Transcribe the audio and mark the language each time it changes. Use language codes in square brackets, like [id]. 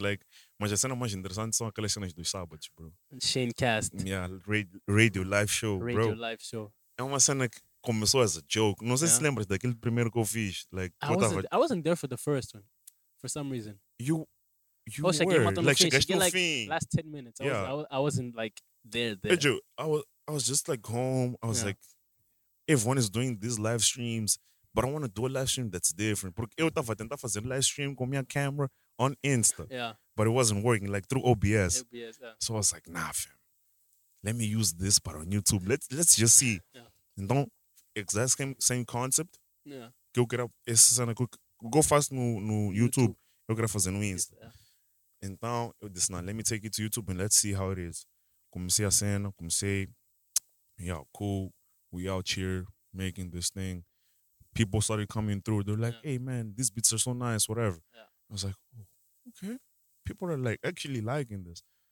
[pt] Like, mas a cena mais interessante são aquelas cenas dos sábados, bro. [en] Shane Cast. Yeah, radio live show, radio bro. Radio live show. [pt] É uma cena que começou [en] as a joke. [pt] Não sei se lembras daquele primeiro que eu fiz. [en] Like, I wasn't there for the first one, for some reason. You were. [pt] Cheguei no fim. [en] Last 10 minutes. I wasn't there. Hey, Joe, I was just like home. I was like, everyone is doing these live streams, but I want to do a live stream that's different. [pt] Porque eu tava tentando fazer live stream com minha camera on Insta. [en] Yeah. But it wasn't working, like through OBS. OBS, yeah. So I was like, nah, fam. Let me use this part on YouTube. Let's just see. Yeah. [pt] Então, exact same concept. [en] Yeah. [pt] Que eu quero essa cena que go fast no YouTube. Eu quero fazer no Insta. [en] Yeah. [pt] Então, eu disse, nah, [en] let me take it to YouTube and let's see how it is. [pt] Comecei a cena, [en] cool. We out here making this thing. People started coming through. They're like, hey, man, these beats are so nice, whatever. Yeah. I was like, oh, okay. People are like actually liking this.